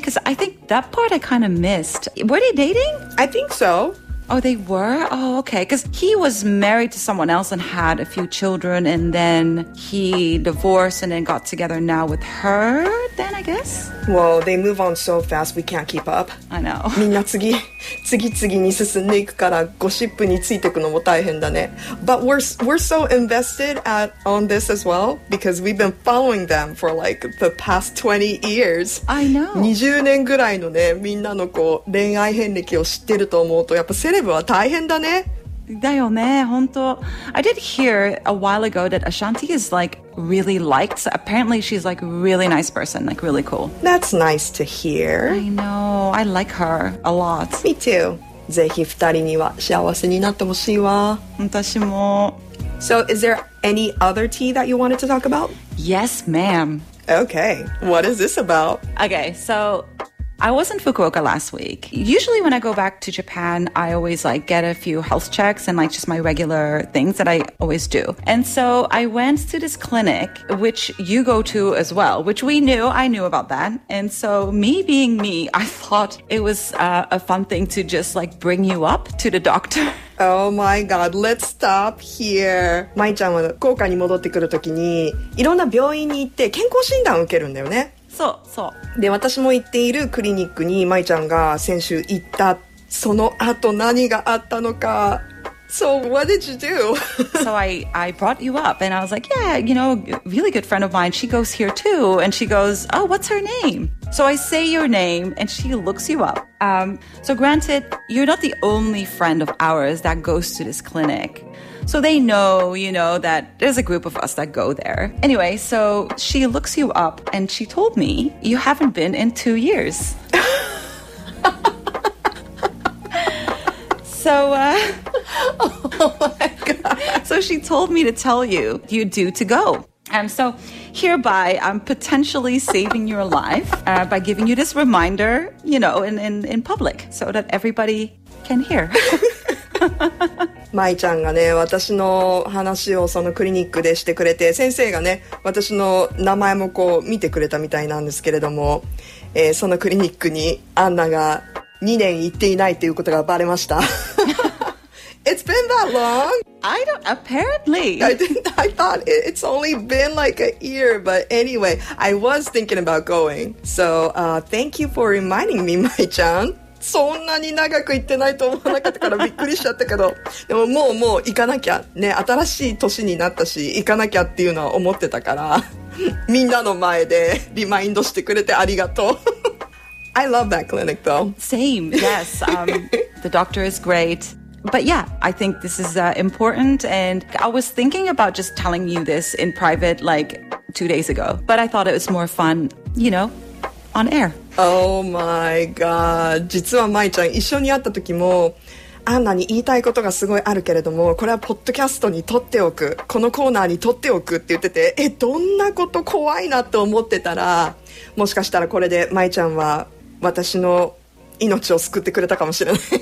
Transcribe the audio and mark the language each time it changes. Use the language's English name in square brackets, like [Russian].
[English] Because I think that part I kind of missed. Were they dating? I think so. Oh, they were? Oh, okay. Because he was married to someone else and had a few children. And then he divorced and then got together now with her then, I guess? Whoa, they move on so fast. We can't keep up. I know. [Japanese] みんな次々に進んでいくからゴシップについていくのも大変だね。 [English] But we're so invested on this as well because we've been following them for like the past 20 years. I know. [Japanese] 20年ぐらいのね、みんなのこう恋愛遍歴を知ってると思うとやっぱセレブは大変だね。だよね、本当。 [English] I did hear a while ago that Ashanti is like really liked. Apparently she's like really nice person, like really cool. That's nice to hear. I know. I like her a lot. Me too. [Japanese] ぜひ二人には幸せになってほしいわ。私も。 [English] So is there any other tea that you wanted to talk about? Yes, ma'am. Okay. What is this about? Okay, so... I was in Fukuoka last week. Usually when I go back to Japan, I always like get a few health checks and like just my regular things that I always do. And so I went to this clinic, which you go to as well, which we knew, I knew about that. And so me being me, I thought it was a fun thing to just like bring you up to the doctor. Oh my god, let's stop here. [Japanese] Mai ちゃんは福岡に戻ってくるときにいろんな病院に行って健康診断を受けるんだよね。そう。で、私も行っているクリニックに舞ちゃんが先週行った。その後何があったのか。 [English] So what did you do? So I brought you up and I was like, yeah, you know, really good friend of mine. She goes here too. And she goes, oh, what's her name? So I say your name and she looks you up. So granted, you're not the only friend of ours that goes to this clinic. So they know, you know, that there's a group of us that go there. Anyway, so she looks you up and she told me you haven't been in 2 years. So, Oh my God. So she told me to tell you, you're due to go. So hereby, I'm potentially saving your life by giving you this reminder, you know, in public so that everybody can hear. [Japanese] マイちゃんがね私の話をそのクリニックでしてくれて、先生がね私の名前もこう見てくれたみたいなんですけれども、そのクリニックにアンナが2年行っていないということがバレました。 [English] It's been that long? I don't, apparently. I thought it's only been like a year, but anyway, I was thinking about going. So thank you for reminding me, Mai-chan. [Japanese] そんなに長く行ってないと思わなかったからびっくりしちゃったけど、でももう行かなきゃね、新しい年になったし行かなきゃっていうのは思ってたからみんなの前でリマインドしてくれてありがとう。 [English] I love that clinic though. Same, yes. The doctor is great. But yeah, I think this is important. And I was thinking about just telling you this in private like 2 days ago. But I thought it was more fun, you know, on air. Oh my god. [Japanese] 実はまいちゃん一緒に会った時もアンナに言いたいことがすごいあるけれども、これはポッドキャストに撮っておく、このコーナーに撮っておくって言ってて、どんなこと怖いなって思ってたら、もしかしたらこれでまいちゃんは私の命を救ってくれたかもしれない。